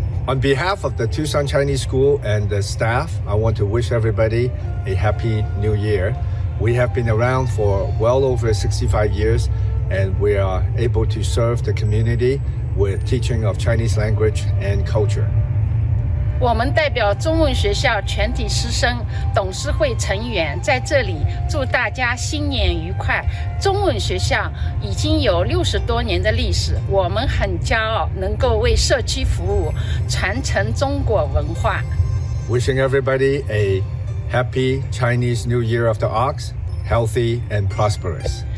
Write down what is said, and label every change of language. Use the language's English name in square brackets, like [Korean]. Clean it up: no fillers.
[English] On behalf of the Tucson Chinese School and the staff, I want to wish everybody a happy new year. We have been around for well over 65 years, and we are able to serve the community with teaching of Chinese language and culture. [Chinese] 我们代表中文学校全体师生董事会成员在这里祝大家新年愉快。中文学校已经有60多年的历史，我们很骄傲能够为社区服务，传承中国文化。 [English] Wishing everybody a happy Chinese New Year of the Ox, healthy and prosperous.